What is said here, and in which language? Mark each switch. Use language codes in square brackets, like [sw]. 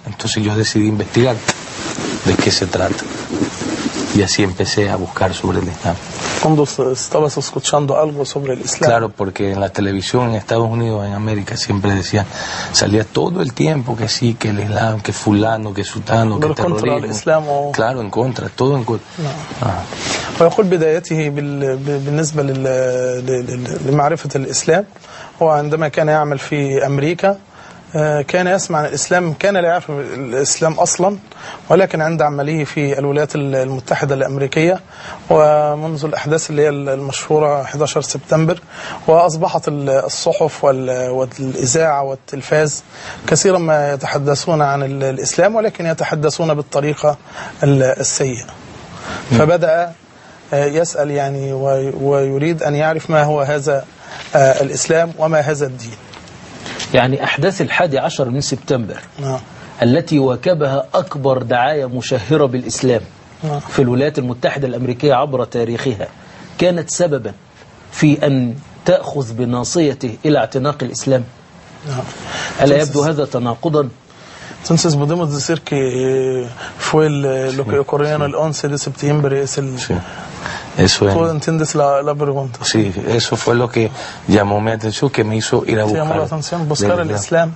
[es] Entonces yo decidí investigar de qué se trata y así empecé a buscar sobre el Islam. Cuando estabas escuchando algo sobre el Islam. Claro, porque en la televisión en Estados Unidos, en América, siempre decían, salía todo el tiempo que sí, que el Islam, que fulano, que sultano, que terrorismo. Contra el Islam. Claro, en contra, todo en contra. No. [ar] ويقول بدايته بالنسبة لمعرفة الإسلام هو عندما كان يعمل في أمريكا كان يسمع عن الإسلام، كان لا يعرف الإسلام أصلا، ولكن عند عمله في الولايات المتحدة الأمريكية ومنذ الأحداث اللي هي المشهورة 11 سبتمبر، وأصبحت الصحف والإذاعة والتلفاز كثيرا ما يتحدثون عن الإسلام، ولكن يتحدثون بالطريقة السيئة. فبدأ يسأل يعني ويريد أن يعرف ما هو هذا الإسلام وما هذا الدين. يعني أحداث 11 من سبتمبر التي واكبها أكبر دعاية مشهرة بالإسلام في الولايات المتحدة الأمريكية عبر تاريخها، كانت سببا في أن تأخذ بناصيته إلى اعتناق الإسلام. ألا يبدو هذا تناقضا؟ [es] Entonces podemos decir que fue lo que ocurrió el 11 de septiembre es el. Eso es. ¿Tú entiendes la pregunta? Sí, eso fue lo que llamó mi atención, que me hizo ir a buscar. Llamó la atención buscar el Islam.